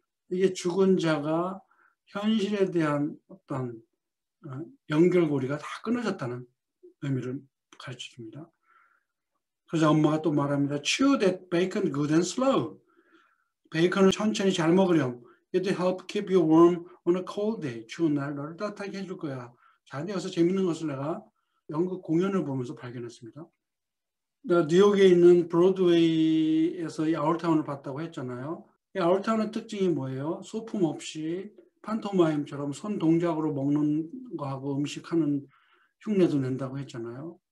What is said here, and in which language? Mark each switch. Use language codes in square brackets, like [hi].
[ko] 이게 죽은 자가 현실에 대한 어떤 연결고리가 다 끊어졌다는 의미를 가르쳐줍니다. 그러자 엄마가 또 말합니다. [en] Chew that bacon good and slow. [ko] 베이컨을 천천히 잘 먹으렴. [en] It'll help keep you warm on a cold day. [ko] 추운 날 너를 따뜻하게 해줄 거야. 자, 여기서 재밌는 것을 내가 연극 공연을 보면서 발견했습니다. 뉴욕에 있는 브로드웨이에서 이 아울타운을 봤다고 했잖아요. 이 아울타운의 특징이 뭐예요? 소품 없이 판토마임처럼 손 동작으로 먹는 거하고 음식하는 흉내도 낸다고 했잖아요.